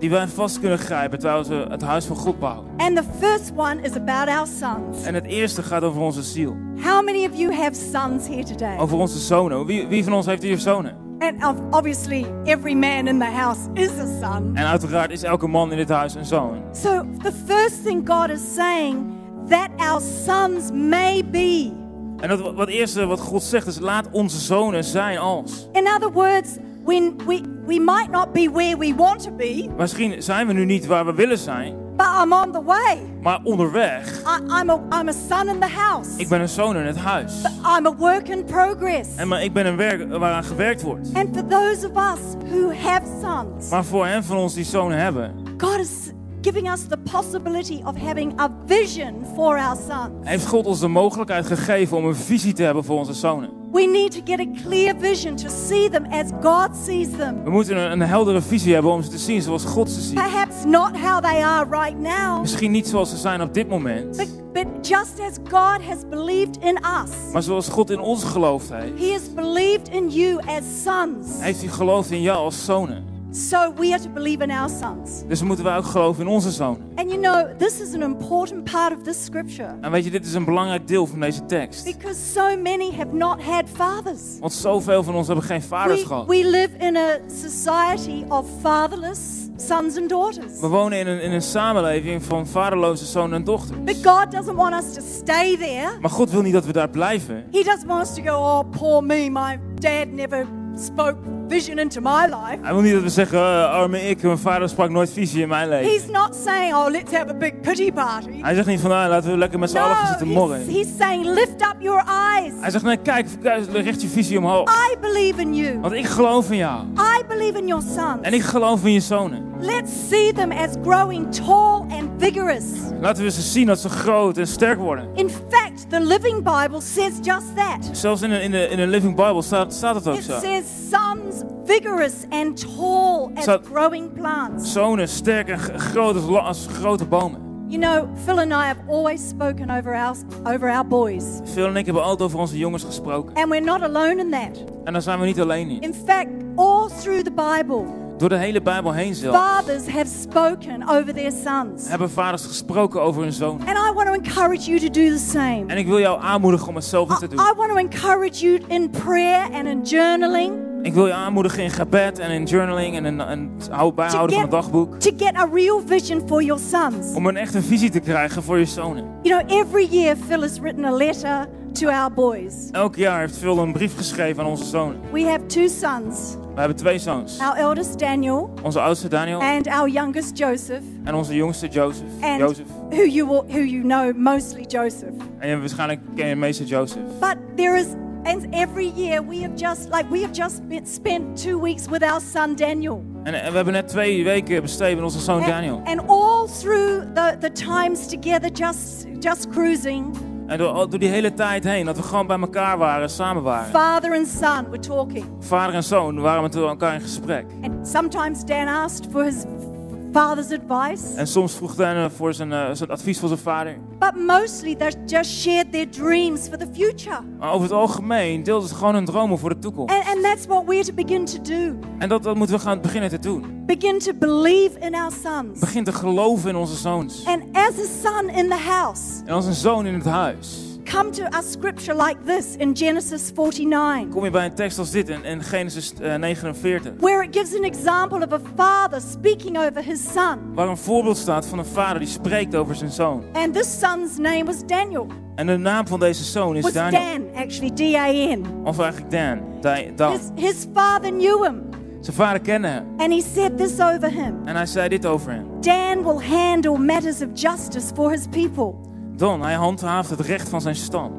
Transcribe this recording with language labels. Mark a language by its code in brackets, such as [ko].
[nl] Die wij vast kunnen grijpen terwijl we het huis van God bouwen. [en] And the first one is about our sons. [nl] En het eerste gaat over onze ziel. [en] How many of you have sons here today? [nl] Over onze zonen. Wie van ons heeft hier zonen? [en] And obviously every man in the house is a son. [nl] En uiteraard is elke man in dit huis een zoon. [en] So the first thing God is saying that our sons may be. [nl] En dat wat eerste wat God zegt is laat onze zonen zijn als. [en] In other words, we might not be where we want to be. [nl] Misschien zijn we nu niet waar we willen zijn. [en] But I'm on the way. [nl] Maar onderweg. [en] I'm a son in the house. [nl] Ik ben een zoon in het huis. [en] But I'm a work in progress. [nl] En maar ik ben een werk waaraan gewerkt wordt. [en] And for those of us who have sons. [nl] Maar voor hen van ons die zonen hebben. [en] God is giving us the possibility of having a vision for our sons. [nl] Heeft God ons de mogelijkheid gegeven om een visie te hebben voor onze zonen? [en] We need to get a clear vision to see them as God sees them. [nl] We moeten een heldere visie hebben om ze te zien zoals God ze ziet. [en] Perhaps not how they are right now. [nl] Misschien niet zoals ze zijn op dit moment. [en] But just as God has believed in us. [nl] Maar zoals God in ons geloofd heeft. [en] He has believed in you as sons. [nl] Heeft hij geloofd in jou als zonen? [en] So we are to believe in our sons. [nl] Dus moeten wij ook geloven in onze zonen. [en] And you know, this is an important part of this scripture. [nl] En weet je, dit is een belangrijk deel van deze tekst. [en] Because so many have not had fathers. [nl] Want zoveel van ons hebben geen vaders gehad. [en] We live in a society of fatherless sons and daughters. [nl] We wonen in een samenleving van vaderloze zonen en dochters. [en] But God doesn't want us to stay there. [nl] Maar God wil niet dat we daar blijven. [en] He doesn't want us to go, oh poor me, my dad never spoke vision into my life. [nl] Hij wil niet dat we zeggen, arme ik, mijn vader sprak nooit visie in mijn leven. [en] He's not saying, oh, let's have a big pity party. [nl] Hij zegt niet van, laten we lekker met z'n allen zitten morren. [en] He's saying, lift up your eyes. [nl] Hij zegt, nee, kijk, richt je visie omhoog. [en] I believe in you. [nl] Want ik geloof in jou. [en] I believe in your sons. [nl] En ik geloof in je zonen. [en] Let's see them as growing tall and vigorous. [nl] Laten we ze zien dat ze groot en sterk worden. [en] In fact, the Living Bible says just that. [nl] Zelfs in de Living Bible staat het ook [en] it [nl] zo. [en] It says sons vigorous and tall as staat growing plants. [nl] Zonen sterk en groot als grote bomen. [en] You know, Phil and I have always spoken over our boys. [nl] Phil en ik hebben altijd over onze jongens gesproken. [en] And we're not alone in that. [nl] En daar zijn we niet alleen in. [en] In fact, all through the Bible. [nl] Door de hele Bijbel heen zelf. [en] Fathers have spoken over their sons. [nl] Hebben vaders gesproken over hun zoon. [en] And I want to encourage you to do the same. [nl] En ik wil jou aanmoedigen om hetzelfde te doen. [en] I want to encourage you in prayer and in journaling. [nl] Ik wil je aanmoedigen in gebed en in journaling en in het bijhouden van het dagboek. [en] To get a real vision for your sons. [nl] Om een echte visie te krijgen voor je zonen. [en] You know, every year Phil has written a letter to our boys. [nl] Elk jaar heeft Phil een brief geschreven aan onze zonen. [en] We have two sons. [nl] We hebben twee zoons. [en] Our eldest Daniel. [nl] Onze oudste Daniel. [en] And our youngest Joseph. [nl] En onze jongste Joseph. [en] And Joseph. Who you know mostly Joseph. [nl] En je waarschijnlijk ken je meestal Joseph. [en] But there is. And every year we have just spent 2 weeks with our son Daniel. [nl] En we hebben net 2 weken besteed met onze zoon Daniel. [en] And all through the times together just cruising. [nl] En door die hele tijd heen dat we gewoon bij elkaar waren, samen waren. [en] Father and son were talking. [nl] Vader en zoon waren met elkaar in gesprek. [en] And sometimes Dan asked for his father's advice. [nl] En soms vroeg Dan voor zijn advies voor zijn vader. [en] But mostly they just shared their dreams for the future. [nl] Maar over het algemeen deelden ze gewoon hun dromen voor de toekomst. [en] And that's what we're to begin to do. [nl] En dat moeten we gaan beginnen te doen. [en] Begin to believe in our sons. [nl] Begin te geloven in onze zoons. [en] And as a son in the house. [nl] En als een zoon in het huis. [en] Come to a scripture like this in Genesis 49. [nl] Kom je bij een tekst als dit in Genesis 49. [en] Where it gives an example of a father speaking over his son. [nl] Waar een voorbeeld staat van een vader die spreekt over zijn zoon. [en] And this son's name was Daniel. [nl] En de naam van deze zoon is was Daniel. [en] Dan, actually D-A-N. [nl] Of eigenlijk Dan. [en] His father knew him. [nl] Zijn vader kende hem. [en] And he said this over him. [nl] En hij zei dit over hem. [en] Dan will handle matters of justice for his people. [nl] Dan, hij handhaaft het recht van zijn stam.